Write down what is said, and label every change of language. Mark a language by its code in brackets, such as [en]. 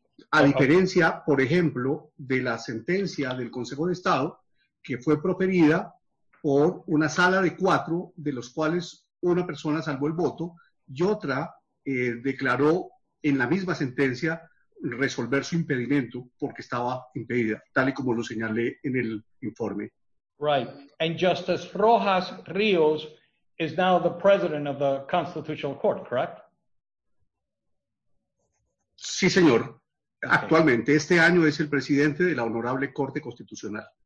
[es] A diferencia, por ejemplo, de la sentencia del Consejo de Estado que fue proferida por una sala de cuatro, de los cuales una persona salvó el voto y otra declaró en la misma sentencia resolver su impedimento porque estaba impedida, tal y como lo señalé en el informe. [en] Right. And Justice Rojas Ríos is now the president of the Constitutional Court, correct? [es] Sí, señor. Okay. Actualmente, este año es el presidente de la Honorable Corte Constitucional.